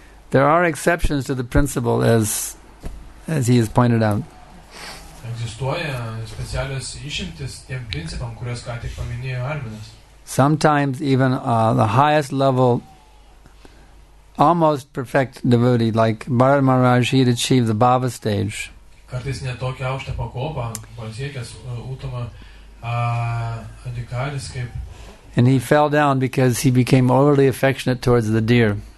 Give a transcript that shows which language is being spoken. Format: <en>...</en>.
<en>There are exceptions to the principle as he has pointed out.</en> <lt>Egzistuoja specialios išimtis tiem principam, kuriuos ką tik paminėjo Arminas.</lt> <en>Sometimes even the highest level, almost perfect devotee, like Bharat Maharaj, he had achieved the bhava stage.</en> <lt>Kartais net tokia aukšta pakopa, pasiekęs Uttama adhikaris kaip.</lt> <en>And he fell down because he became overly affectionate towards the deer.</en>